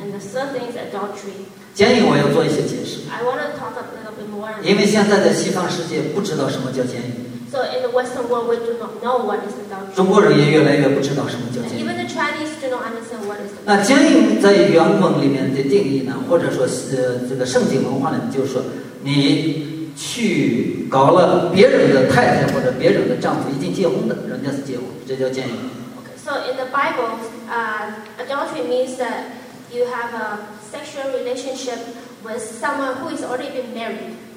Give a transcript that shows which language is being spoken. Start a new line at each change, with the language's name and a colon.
English: And the third thing is adultery.
Chinese: 奸淫我要做一些解释。
English: I want to talk a little bit more.
Chinese: 因为现在的西方世界不知道什么叫奸淫。
English: So in the Western world, we do not know what is adultery.
Chinese: 中国人也越来越不知道什么叫奸淫。
English: Even the Chinese do not understand what is.
Chinese: 那奸淫在原文里面的定义呢，或者说这个圣经文化里面，就是说你去搞了别人的太太或者别人的丈夫，已经结婚的，人家是结婚，这叫奸淫。
English: So in the Bible, adultery means that you have a sexual relationship with someone who is already been married.